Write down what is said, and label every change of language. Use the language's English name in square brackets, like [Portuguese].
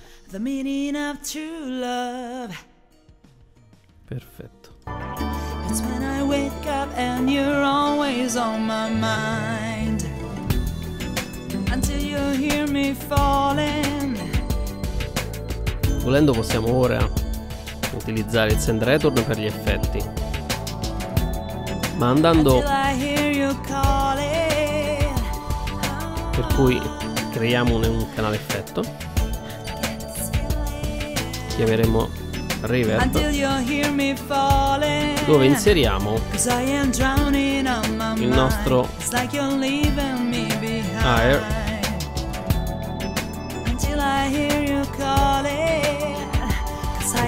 [English] The meaning of true love. [Italian] Perfetto. [English] It's when I wake up and you're always on my mind. Until you hear me falling. [Italian] Volendo possiamo ora utilizzare il send return per gli effetti. Ma andando per cui creiamo un canale effetto. Chiameremo Reverb, [English] until you hear me falling, [Italian] dove inseriamo [English] I am drowning on my [Italian] il nostro [English] It's like you're leaving me behind. Air. Until I hear you calling,